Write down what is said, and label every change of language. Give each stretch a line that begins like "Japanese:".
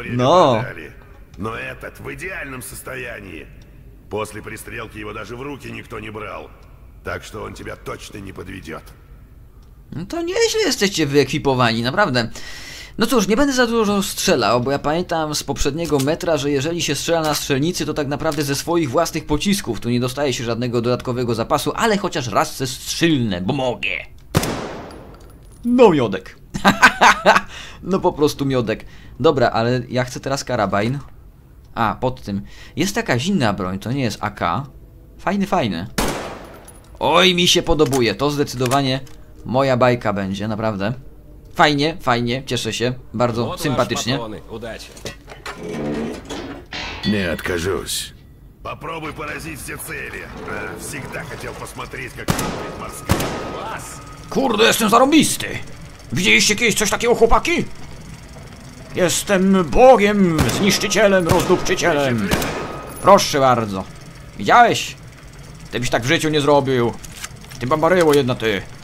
Russian: Но этот в идеальном состоянии. После пристрелки его даже в руки никто не брал. Так что он тебя точно не подведет.
Polish: No to nieźle jesteście wyekwipowani, naprawdę. No cóż, nie będę za dużo strzelał, bo ja pamiętam z poprzedniego metra, że jeżeli się strzela na strzelnicy, to tak naprawdę ze swoich własnych pocisków. Tu nie dostaje się żadnego dodatkowego zapasu, ale chociaż raz se strzylnę, bo mogę. No miodek. No po prostu miodek. Dobra, ale ja chcę teraz karabin. A, pod tym. Jest jakaś inna broń, to nie jest AK. Fajny, fajny. Oj, mi się podobuje, to zdecydowanie moja bajka będzie, naprawdę. Fajnie, fajnie, cieszę się, bardzo sympatycznie.
Russian: Nie odkażuś. Попробуй поразить все цели. Всегда хотел посмотреть, как работает морская.
Polish: Kurde, jestem zarąbisty. Widzieliście kiedyś coś takiego, chłopaki? Jestem bogiem, zniszczycielem, rozdupczycielem. Proszę bardzo. Widziałeś? Ty byś tak w życiu nie zrobił. Ty bambaryło jedna ty.